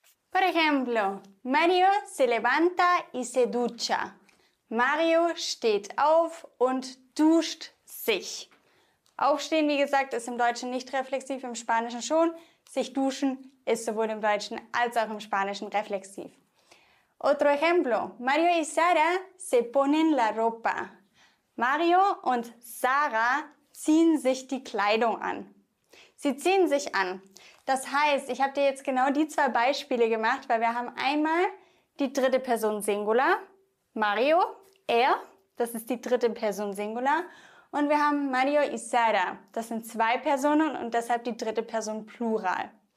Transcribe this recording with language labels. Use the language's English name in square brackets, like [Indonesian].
[Spanish] Por ejemplo, Mario se levanta y se ducha. [German] Mario steht auf und duscht sich. Aufstehen, wie gesagt, ist im Deutschen nicht reflexiv, im Spanischen schon. Sich duschen ist sowohl im Deutschen als auch im Spanischen reflexiv. [Spanish] Otro ejemplo, Mario y Sara se ponen la ropa. [German] Mario und Sara ziehen sich die Kleidung an. Sie ziehen sich an. Das heißt, ich habe dir jetzt genau die zwei Beispiele gemacht, weil wir haben einmal die dritte Person Singular, Mario, er, das ist die dritte Person Singular, und wir haben Mario y Sara, das sind zwei Personen und deshalb die dritte Person Plural.